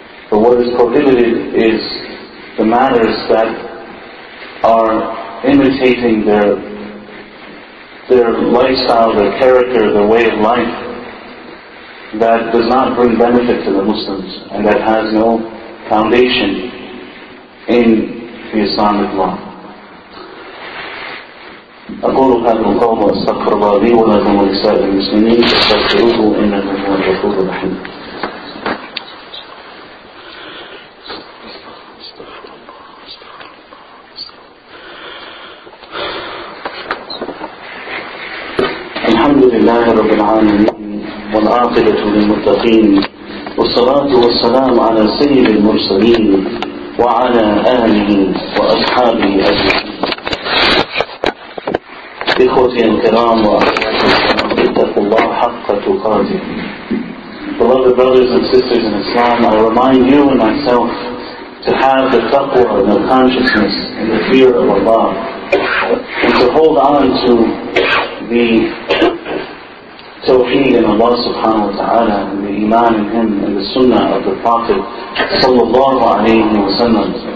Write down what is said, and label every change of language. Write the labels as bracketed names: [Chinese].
[English] But what is prohibited is the matters that are imitating their lifestyle, their character, their way of life, that does not bring benefit to the Muslims and that has no foundation in the Islamic law. [Arabic] أقول هذا القول وأستغفر الله لي ولكم ولسائر المسلمين فاستغفروه إنه هو الغفور الرحيم. الحمد لله رب العالمين والعاقبة للمتقين والصلاة والسلام على سيد المرسلين وعلى آله وأصحابه أجمعين. إخوتي الكرام واتقوا الله حق تقاته. [English] Beloved brothers and sisters in Islam, I remind you and myself to have the taqwa and the consciousness and the fear of Allah and to hold on to the tawheed in Allah subhanahu wa ta'ala and the iman in Him and the sunnah of the Prophet sallallahu alayhi wa sallam.